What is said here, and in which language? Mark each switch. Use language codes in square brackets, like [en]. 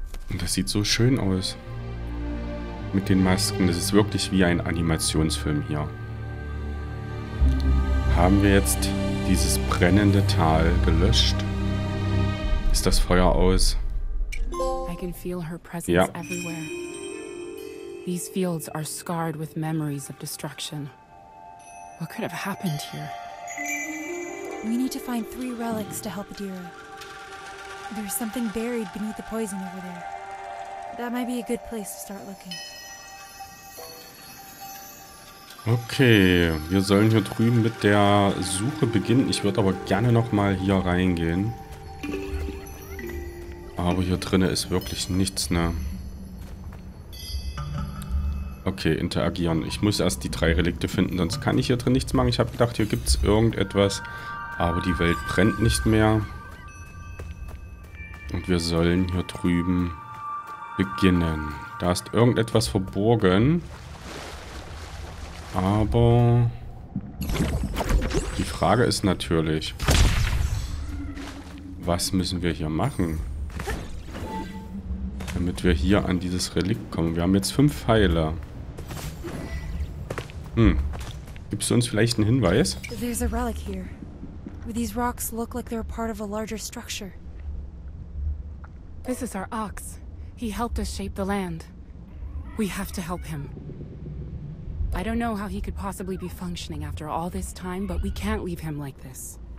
[de] Und das sieht so schön aus. Mit den Masken. Das ist wirklich wie ein Animationsfilm hier. Haben wir jetzt dieses brennende Tal gelöscht? Ist das Feuer aus? [en] I can feel her presence ja. Everywhere. These fields are scarred with memories of destruction. What could have happened here? We need to find 3 relics to help Adira. There's something buried beneath the poison over there. That might be a good place to start looking. [de] Okay, wir sollen hier drüben mit der Suche beginnen. Ich würde aber gerne nochmal hier reingehen. Aber hier drinne ist wirklich nichts, ne? Okay, interagieren. Ich muss erst die 3 Relikte finden, sonst kann ich hier drin nichts machen. Ich habe gedacht, hier gibt es irgendetwas, aber die Welt brennt nicht mehr. Und wir sollen hier drüben beginnen. Da ist irgendetwas verborgen. Aber die Frage ist natürlich, was müssen wir hier machen, damit wir hier an dieses Relikt kommen? Wir haben jetzt 5 Pfeile. Gibst du uns vielleicht einen Hinweis? [en] There's a relic here. These rocks look like they're part of a larger structure. This is our ox. He helped us shape the land. We have to help him. I don't know how he could possibly be functioning after all this time, but we can't leave him like this.